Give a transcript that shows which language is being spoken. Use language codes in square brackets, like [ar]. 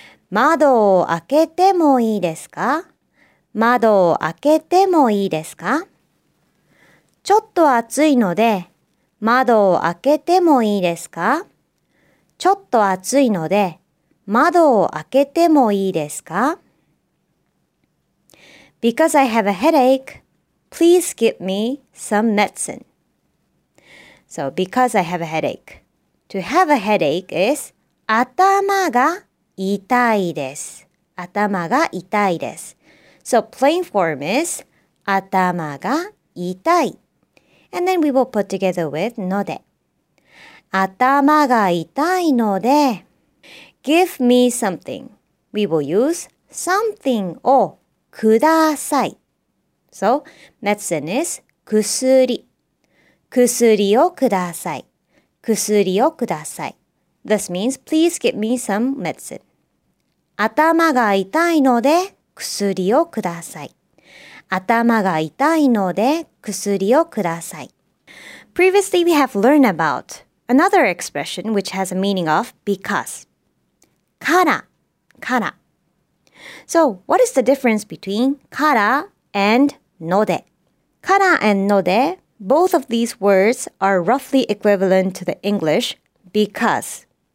[ja] 窓を開けてもいいですか?窓を開けてもいいですか? ちょっと暑いので、窓を開けてもいいですか? ちょっと暑いので、窓を開けてもいいですか? [en] Because I have a headache, please give me some medicine. So, because I have a headache. To have a headache is [ja] 頭が痛いです。頭が痛いです。 [en] So plain form is [ja] 頭が痛い. [en] And then we will put together with ので. [ja] 頭が痛いので. [en] Give me something. We will use something をください. So medicine is 薬. [ja] 薬をください. 薬をください. [en] This means please give me some medicine. [ja] 頭が痛いので薬をください。頭が痛いので薬をください。 [en] Previously, we have learned about another expression which has a meaning of because. [ja] から、から。 [en] So, what is the difference between から and ので? から and ので, both of these words are roughly equivalent to the English because.